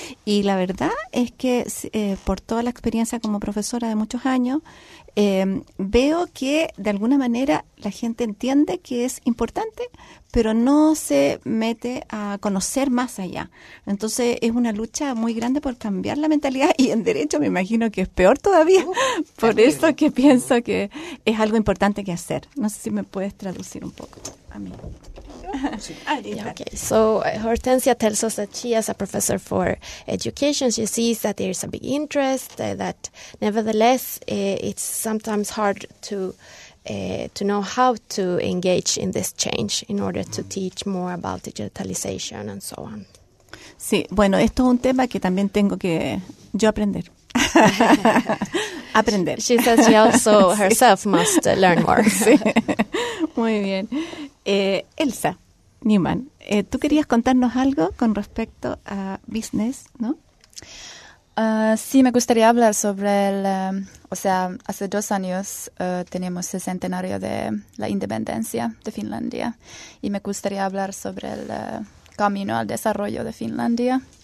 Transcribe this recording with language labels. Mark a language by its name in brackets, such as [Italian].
[Spanish] Y la verdad es que por toda la experiencia como profesora de muchos años, veo que de alguna manera la gente entiende que es importante, pero no se mete a conocer más allá. Entonces es una lucha muy grande por cambiar la mentalidad, y en derecho me imagino que es peor todavía, por eso que pienso que es algo importante que hacer. No sé si me puedes traducir un poco a mí. [English] Okay, so Hortensia tells us that she, as a professor for education, she sees that there is a big interest, that nevertheless it's sometimes hard to know how to engage in this change in order to teach more about digitalization and so on. [Spanish] Sí, bueno, esto es un tema que también tengo que yo aprender. Aprender. [English] She says she also herself must learn more. [Spanish] Sí. Muy bien. Elsa Newman, tú querías contarnos algo con respecto a business, ¿no? Sí, me gustaría hablar sobre hace 2 años teníamos el centenario de la independencia de Finlandia, y me gustaría hablar sobre el camino al desarrollo de Finlandia.